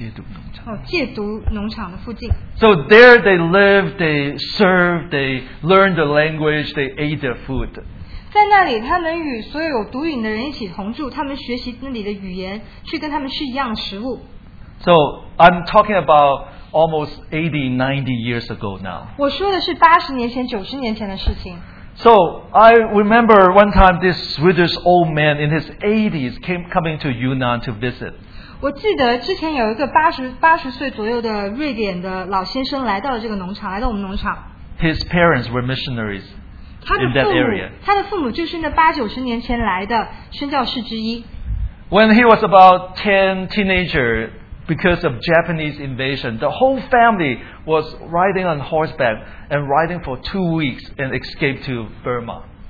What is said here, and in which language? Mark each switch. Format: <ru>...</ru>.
<zh>今天他们当中很多人还住在我们那个疗养农场的附近。戒毒农场。哦，戒毒农场的附近。</zh> <en>So there they live, they serve, they learn the language, they ate their food.</en> <zh>在那里，他们与所有毒瘾的人一起同住，他们学习那里的语言，去跟他们吃一样的食物。</zh> <en>So I'm talking about almost 80, 90 years ago now.</en> <zh>我说的是80年前、90年前的事情。</zh> <en>So I remember one time this Swedish old man in his 80s coming to Yunnan to visit.</en> <zh>我记得之前有一个80岁左右的瑞典的老先生来到了这个农场，来到我们农场。</zh> <en>His parents were missionaries in that area.</en> <zh>他的父母就是那80、90年前来的宣教士之一。</zh> <en>When he was about 10 teenager, because of Japanese invasion, the whole family was riding on horseback and riding for 2 weeks and escaped to Burma.</en>